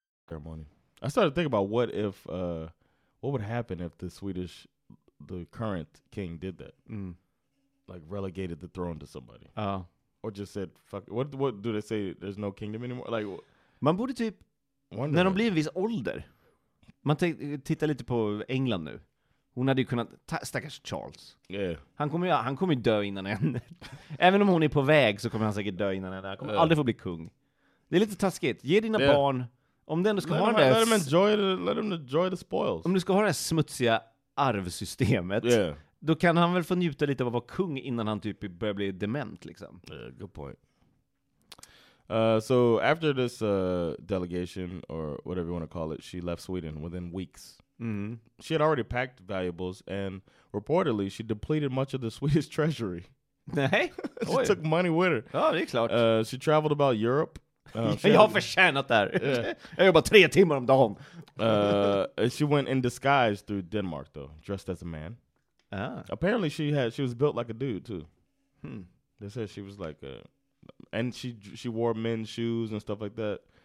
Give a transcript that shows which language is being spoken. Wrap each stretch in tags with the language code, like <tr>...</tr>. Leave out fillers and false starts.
<en>Ceremony. I started thinking about what would happen if the current king did that. Mm. Like relegated the throne to somebody. Or just said, fuck, what do they say? There's no kingdom anymore? Like,</en> <sv>man borde typ, wonder när de blir en viss ålder. Titta lite på England nu. Hon hade ju kunnat, stackars Charles.</sv> <en>Yeah.</en> <sv>Han kommer dö innan henne. Även om hon är på väg så kommer han säkert dö innan henne. Han kommer aldrig få bli kung. Det är lite taskigt. Ge dina barn, om den du ska</sv> <en>let</en> <sv>ha</sv> <en>them,</en> <sv>det.</sv> <en>Let them enjoy the spoils.</en> <sv>Om du ska ha det smutsiga arvsystemet.</sv> <en>Yeah.</en> <sv>Då kan han väl få njuta lite av att vara kung innan han typ börjar bli dement, liksom.</sv> <en>Good point. So after this delegation, or whatever you want to call it, she left Sweden within weeks. Mm-hmm. She had already packed valuables, and reportedly she depleted much of the Swedish treasury.</en> <sv>Nej.</sv> <en>She took money with her.</en> <sv>Oh, det är klart.</sv> <en>She traveled about Europe.</en> <sv>Jag har förtjänat det här. Jag jobbar 3 timmar om dagen.</sv> <en>She went in disguise through Denmark, though, dressed as a man. Ah. Apparently, she was built like a dude, too. They said she was like a... And she wore men's shoes and stuff like that.</en>